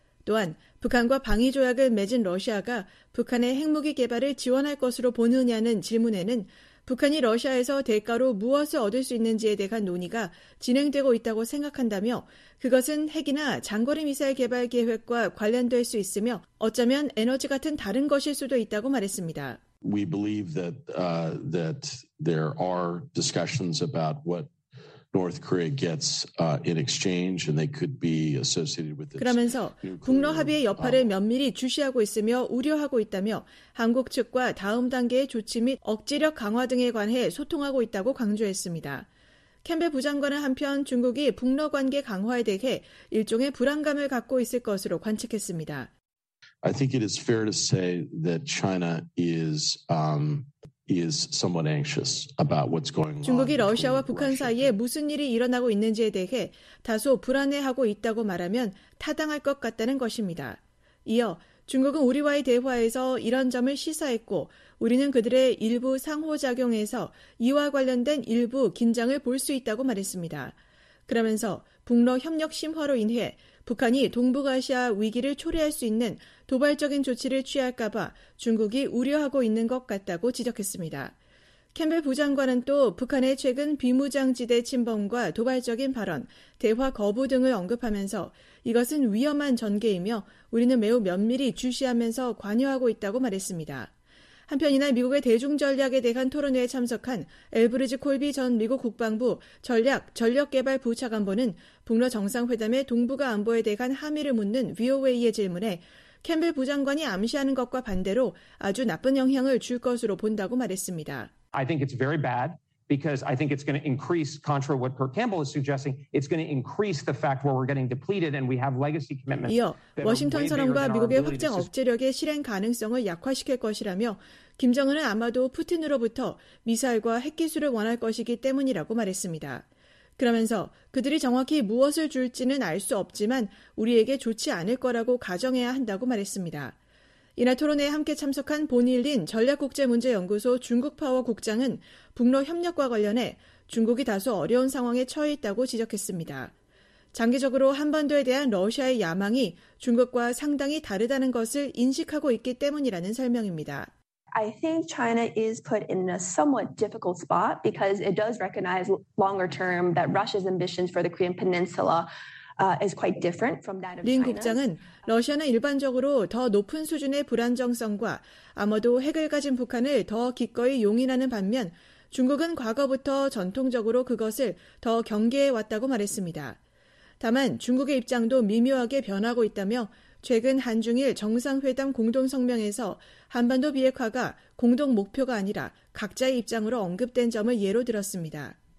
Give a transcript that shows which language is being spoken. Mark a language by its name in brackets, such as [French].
[Korean] 또한 북한과 방위조약을 맺은 러시아가 북한의 핵무기 개발을 지원할 것으로 보느냐는 질문에는 북한이 러시아에서 대가로 무엇을 얻을 수 있는지에 대한 논의가 진행되고 있다고 생각한다며 그것은 핵이나 장거리 미사일 개발 계획과 관련될 수 있으며 어쩌면 에너지 같은 다른 것일 수도 있다고 말했습니다. [English] We believe that that there are discussions about what North Korea gets in exchange and they could be associated with this. [Korean] 그러면서 북러 합의의 여파를 면밀히 주시하고 있으며 우려하고 있다며 한국 측과 다음 단계의 조치 및 억제력 강화 등에 관해 소통하고 있다고 강조했습니다. 캠벨 부장관은 한편 중국이 북러 관계 강화에 대해 일종의 불안감을 갖고 있을 것으로 관측했습니다. [English] I think it is fair to say that China is is somewhat anxious about what's going on. [Korean] 중국이 러시아와 북한 사이에 무슨 일이 일어나고 있는지에 대해 다소 불안해하고 있다고 말하면 타당할 것 같다는 것입니다. 이어 중국은 우리와의 대화에서 이런 점을 시사했고 우리는 그들의 일부 상호작용에서 이와 관련된 일부 긴장을 볼 수 있다고 말했습니다. 그러면서 북러 협력 심화로 인해 북한이 동북아시아 위기를 초래할 수 있는 도발적인 조치를 취할까 봐 중국이 우려하고 있는 것 같다고 지적했습니다. 캠벨 부장관은 또 북한의 최근 비무장지대 침범과 도발적인 발언, 대화 거부 등을 언급하면서 이것은 위험한 전개이며 우리는 매우 면밀히 주시하면서 관여하고 있다고 말했습니다. 한편 이날 미국의 대중 전략에 대한 토론회에 참석한 엘브리지 콜비 전 미국 국방부 전략 전력개발 부차관보는 북러 정상회담의 동북아 안보에 대한 함의를 묻는 VOA의 질문에 캠벨 부장관이 암시하는 것과 반대로 아주 나쁜 영향을 줄 것으로 본다고 말했습니다. [English] I think it's very bad because I think it's going to increase, contrary to what Kirk Campbell is suggesting, it's going to increase the fact where we're getting depleted and we have legacy commitments. [Korean] 이어 워싱턴 선언과 미국의 확장 억제력의 실행 가능성을 약화시킬 것이라며 김정은은 아마도 푸틴으로부터 미사일과 핵 기술을 원할 것이기 때문이라고 말했습니다. 그러면서 그들이 정확히 무엇을 줄지는 알 수 없지만 우리에게 좋지 않을 거라고 가정해야 한다고 말했습니다. 이날 토론회에 함께 참석한 보닐린 전략국제문제연구소 중국파워 국장은 북러 협력과 관련해 중국이 다소 어려운 상황에 처해 있다고 지적했습니다. 장기적으로 한반도에 대한 러시아의 야망이 중국과 상당히 다르다는 것을 인식하고 있기 때문이라는 설명입니다. [English] I think China is put in a somewhat difficult spot because it does recognize longer term that Russia's ambitions for the Korean Peninsula is quite different from that of China. [Korean] 린 국장은 러시아는 일반적으로 더 높은 수준의 불안정성과 아마도 핵을 가진 북한을 더 기꺼이 용인하는 반면 중국은 과거부터 전통적으로 그것을 더 경계해 왔다고 말했습니다. 다만 중국의 입장도 미묘하게 변하고 있다며 최근 한중일 정상회담 공동성명에서 한반도 비핵화가 공동 목표가 아니라 각자의 입장으로 언급된 점을 예로 들었습니다.